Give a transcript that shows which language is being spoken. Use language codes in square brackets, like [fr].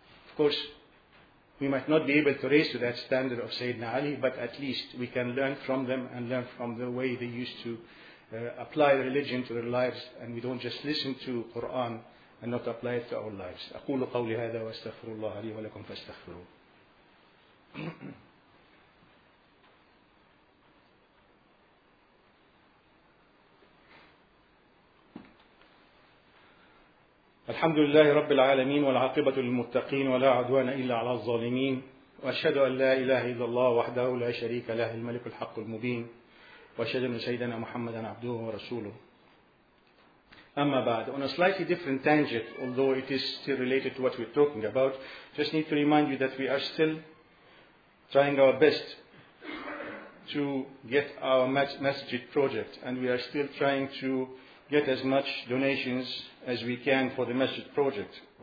[en] Of course, we might not be able to raise to that standard of Sayyidina Ali, but at least we can learn from them and learn from the way they used to apply religion to their lives, and we don't just listen to Quran and not apply it to our lives. [ar] أقول قولي هذا واستغفر الله لي ولكم فاستغفروا. الحمد لله رب العالمين والعاقبة للمتقين ولا عدوان إلا على الظالمين وأشهد أن لا إله إلا الله وحده لا شريك له الملك الحق المبين وأشهد أن سيدنا محمدا عبده ورسوله. أما بعد, [en] on a slightly different tangent, although it is still related to what we're talking about, just need to remind you that we are still trying our best to get our message project, and we are still trying to get as much donations as we can for the masjid project.